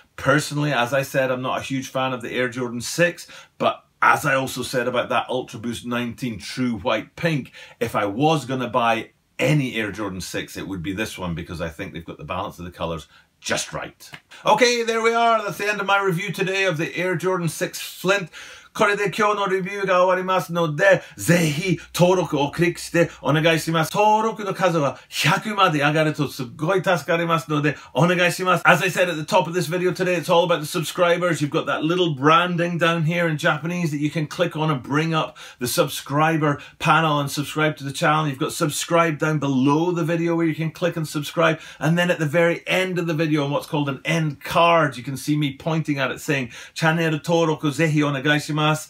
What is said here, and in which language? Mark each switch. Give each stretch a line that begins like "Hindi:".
English: Personally, as I said, I'm not a huge fan of the Air Jordan 6, but as I also said about that Ultra Boost 19 True White Pink, if I was gonna buy any Air Jordan 6, it would be this one, because I think they've got the balance of the colors just right. Okay, there we are. That's the end of my review today of the Air Jordan 6 Flint.
Japanese: これで今日のレビューが終わりますので、ぜひ登録をクリックしてお願いします。登録の数は100まで上がるとすごい助かりますので、お願いします。
English: As I said at the top of this video today, it's all about the subscribers. You've got that little branding down here in Japanese that you can click on and bring up the subscriber panel and subscribe to the channel. You've got subscribe down below the video where you can click and subscribe. And then at the very end of the video, on what's called an end card, you can see me pointing at it saying,
Japanese: チャンネル登録ぜひお願いします。